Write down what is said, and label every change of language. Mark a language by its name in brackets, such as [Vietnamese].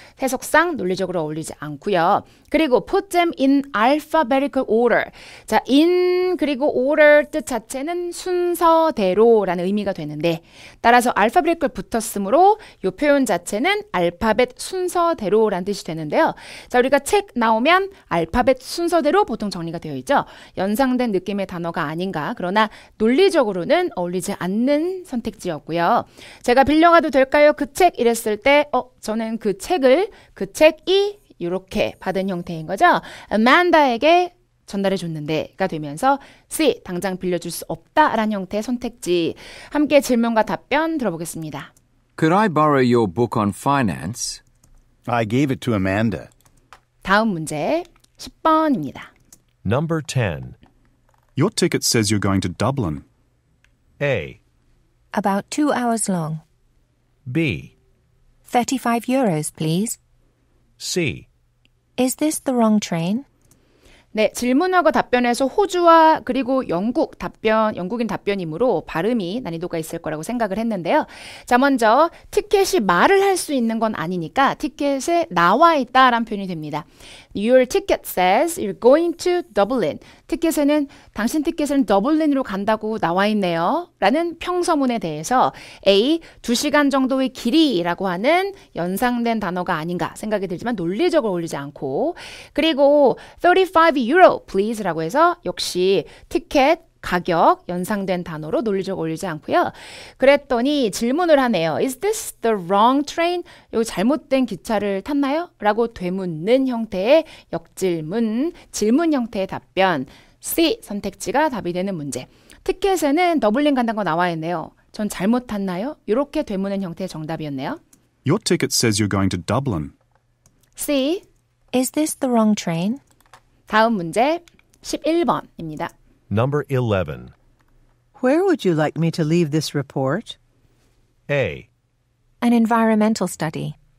[Korean] 해석상 논리적으로 어울리지 않고요. [English] 그리고 put them in alphabetical order. [Korean] 자, in 그리고 order 뜻 자체는 순서대로라는 의미가 되는데 따라서 alphabetical 붙었으므로 요 표현 자체는 알파벳 순서대로라는 뜻이 되는데요. 자, 우리가 책 나오면 알파벳 순서대로 보통 정리가 되어 있죠. 연상된 느낌의 단어가 아닌가 그러나 논리적으로는 어울리지 않는 선택지였고요. 제가 빌려가도 될 까요? 그 책 이랬을 때 저는 그 책을 그 책이 이렇게 받은 형태인 거죠. Amanda에게 전달해 줬는데가 되면서 C 당장 빌려줄 수 없다라는 형태의 선택지. 함께 질문과 답변 들어보겠습니다. [English] Could I borrow your book on finance? I gave it to Amanda. [Korean] 다음 문제 10번입니다. [English] Number 10. Your ticket says you're going to Dublin. A. About 2 hours long. B. 35 euros, please. C. Is this the wrong train? [Korean] 네, 질문하고 답변에서 호주와 그리고 영국 답변, 영국인 답변이므로 발음이 난이도가 있을 거라고 생각을 했는데요. 자, 먼저 티켓이 말을 할 수 있는 건 아니니까 티켓에 나와 있다라는 표현이 됩니다. [English] Your ticket says you're going to Dublin. [Korean] 티켓에는 당신 티켓은 더블린으로 간다고 나와 있네요. 라는 평서문에 대해서 A, 2시간 정도의 길이라고 하는 연상된 단어가 아닌가 생각이 들지만 논리적으로 올리지 않고 그리고 35 유로, please 라고 해서 역시 티켓 가격 연상된 단어로 논리적으로 올리지 않고요. 그랬더니 질문을 하네요. [English] Is this the wrong train? [Korean] 요 잘못된 기차를 탔나요? 라고 되묻는 형태의 역질문, 질문 형태의 답변. C 선택지가 답이 되는 문제. 티켓에는 더블린 간다고 나와 있네요. 전 잘못 탔나요? 이렇게 되묻는 형태의 정답이었네요. [English] Your ticket says you're going to Dublin. C. Is this the wrong train? [Korean] 다음 문제 11번입니다. [English] Number 11. Where would you like me to leave this report? A. An environmental study.